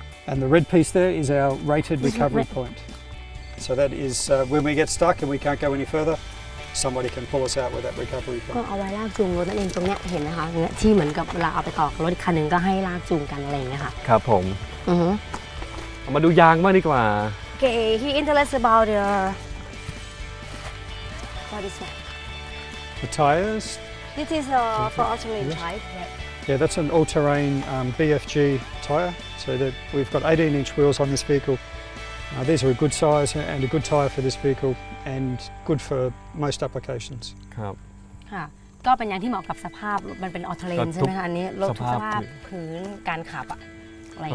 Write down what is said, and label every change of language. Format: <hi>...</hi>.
<en>And the red piece there is our rated recovery point. So that is when we get stuck and we can't go any further, somebody can pull us out with that recovery point.</en> <th>ก็เอาไว้ลากจูงรถนั่นเองตรงเนี้ยเห็นไหมคะที่เหมือนกับเวลาเอาไปต่อกับรถอีกคันนึงก็ให้ลากจูงกันอะไรอย่างเงี้ยค่ะ ครับผม อือมาดูยางบ้างดีกว่า</th> <en>Okay, he interested about the what is that? The tires. This is for all-terrain tire. Yeah, that's an all-terrain BFG tire. So that we've got 18-inch wheels on this vehicle. These are a good size and a good tire for this vehicle, and good for most applications.</en> <th>ครับค่ะก็เป็นยางที่เหมาะกับสภาพมันเป็นออทเทเรนใช่ไหมคะอันนี้ลดทุกสภาพพื้นการขับอะอะไร</th>